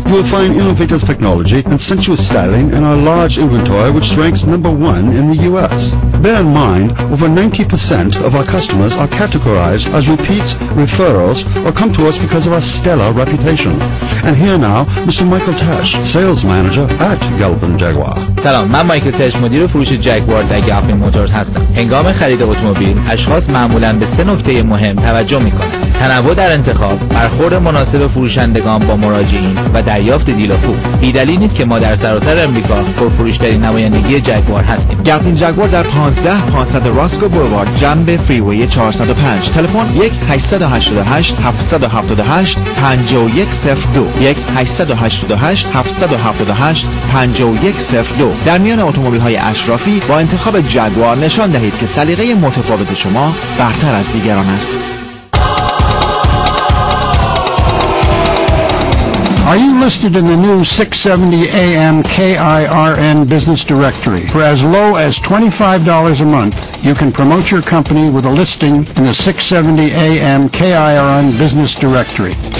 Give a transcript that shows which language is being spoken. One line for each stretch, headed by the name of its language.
English: You will find innovative technology and sensuous styling in our large inventory, which ranks number one in the U.S. Bear in mind, over 90% of our customers are categorized as repeats, referrals, or come to us because of our stellar reputation. And here now, Mr. Michael Tesh, sales manager at Kelvin Jaguar.
Persian: سلام، من مایکل تش، مدیر فروش جگوار در گلفین موتورز هستم. هنگام خرید اتومبیل، اشخاص معمولاً به سه نکته مهم توجه میکنه. تنوع در انتخاب، برخورد مناسب فروشندگان با مراجعین و دریافت دیل و فول. بی‌دلیل نیست که ما در سراسر امریکا پرفروش‌ترین نمایندگی جگوار هستیم. گلفین جگوار در 15500 راسکو بولوار جنب فریوی 405. تلفن 1-888-778-5102 1-888-778-5102. در میان اتومبیل‌های اشرافی با انتخاب جگوار نشان دهید که سلیقه متفاوت شما برتر از دیگران است.
English: Are you listed in the new 670 AM KIRN business directory? For as low as $25 a month, you can promote your company with a listing in the 670 AM KIRN business directory.